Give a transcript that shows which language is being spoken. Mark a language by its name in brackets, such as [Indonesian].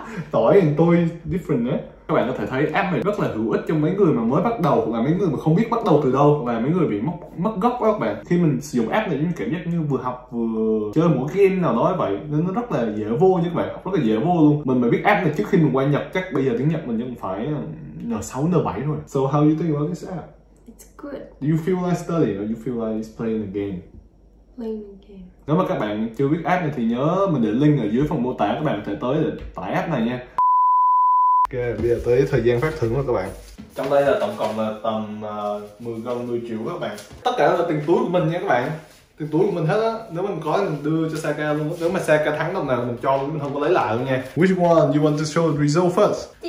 [Vietnamese] Tỏi và tôi different nhé. Các bạn có thể thấy app này rất là hữu ích cho mấy người mà mới bắt đầu, hoặc là mấy người mà không biết bắt đầu từ đâu, hoặc là mấy người bị mất gốc đó các bạn. Khi mình sử dụng app này mình cảm giác như vừa học vừa chơi một game nào đó vậy, nên nó rất là dễ vô nha các bạn, học rất là dễ vô luôn. Mình mà biết app này trước khi mình qua Nhật chắc bây giờ tiếng Nhật mình vẫn phải N6, N7 rồi. [English] So how you think about this app? It's good. Do you feel like studying or you feel like playing a game? Playing a game. [Vietnamese] Nếu mà các bạn chưa biết app này thì nhớ mình để link ở dưới phần mô tả, các bạn có thể tới để tải app này nha. Ok, bây giờ tới thời gian phát thưởng rồi các bạn. Trong đây là tổng cộng là tầm 10 triệu các bạn. Tất cả là tiền túi của mình nha các bạn. Tiền túi của mình hết á. Nếu mình có mình đưa cho Saka luôn. Nếu mà Saka thắng đồng nào mình cho luôn, mình không có lấy lại luôn nha. [English] Which one you want to show the result first?